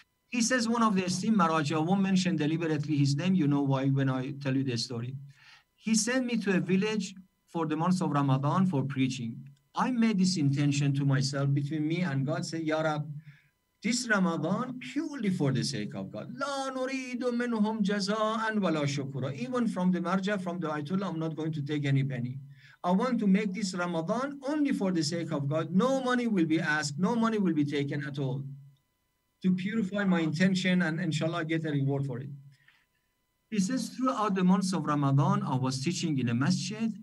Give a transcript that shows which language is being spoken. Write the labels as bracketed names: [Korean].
[English] He says one of the esteemed maraji, I won't mention deliberately his name, you know why when I tell you the story. He sent me to a village for the month of Ramadan for preaching. I made this intention to myself, between me and God, say, Ya Rab, this Ramadan, purely for the sake of God. [Arabic] لا نريد منهم جزاء ولا شكرا. [English] Even from the marja, from the Ayatollah, I'm not going to take any penny. I want to make this Ramadan only for the sake of God. No money will be asked. No money will be taken at all. To purify my intention and inshallah get a reward for it. He says, throughout the months of Ramadan, I was teaching in a masjid.